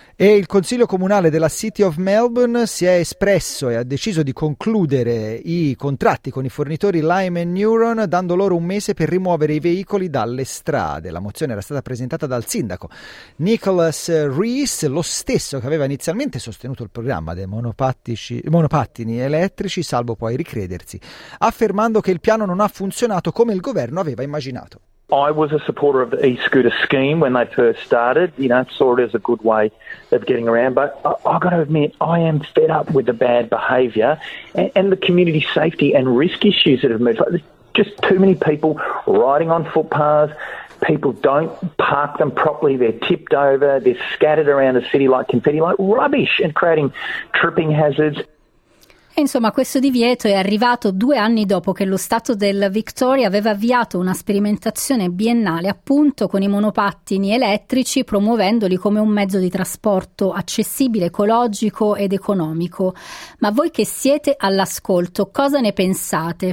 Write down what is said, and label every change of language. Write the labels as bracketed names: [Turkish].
[Italian] E il Consiglio Comunale della City of Melbourne si è espresso e ha deciso di concludere i contratti con i fornitori Lime & Neuron, dando loro un mese per rimuovere i veicoli dalle strade. La mozione era stata presentata dal sindaco Nicholas Rees, lo stesso che aveva inizialmente sostenuto il programma dei monopattini elettrici, salvo poi ricredersi, affermando che il piano non ha funzionato come il governo aveva immaginato. [English] I was a supporter of the e-scooter scheme when they first started, you know, saw it as a good way of getting around, but I've got to admit, I am fed up with the bad behaviour and the community safety and risk issues that have emerged. Like, there's just too many people riding on footpaths, people don't park them properly, they're tipped over, they're scattered around the city like confetti, like rubbish, and creating tripping hazards. [Italian] E insomma, questo divieto è arrivato 2 anni dopo che lo Stato del Victoria aveva avviato una sperimentazione biennale appunto con i monopattini elettrici, promuovendoli come un mezzo di trasporto accessibile, ecologico ed economico. Ma voi che siete all'ascolto, cosa ne pensate?